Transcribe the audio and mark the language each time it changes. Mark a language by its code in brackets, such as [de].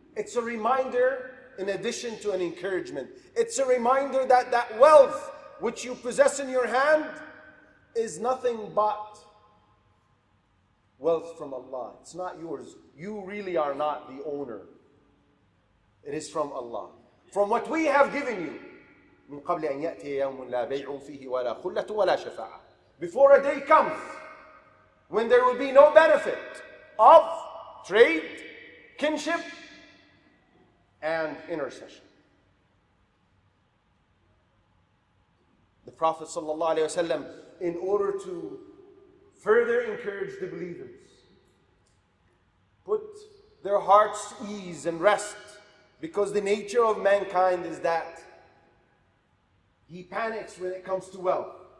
[en] It's a reminder in addition to an encouragement. It's a reminder that that wealth which you possess in your hand is nothing but wealth from Allah. It's not yours. You really are not the owner. It is from Allah. From what we have given you. [ar] من قبل أن يأتي يوم لا بيع فيه ولا خلة ولا شفاعة. [en] Before a day comes when there will be no benefit of trade, kinship, and intercession. The Prophet sallallahu alaihi wasallam, in order to further encourage the believers, put their hearts ease and rest, because the nature of mankind is that he panics when it comes to wealth.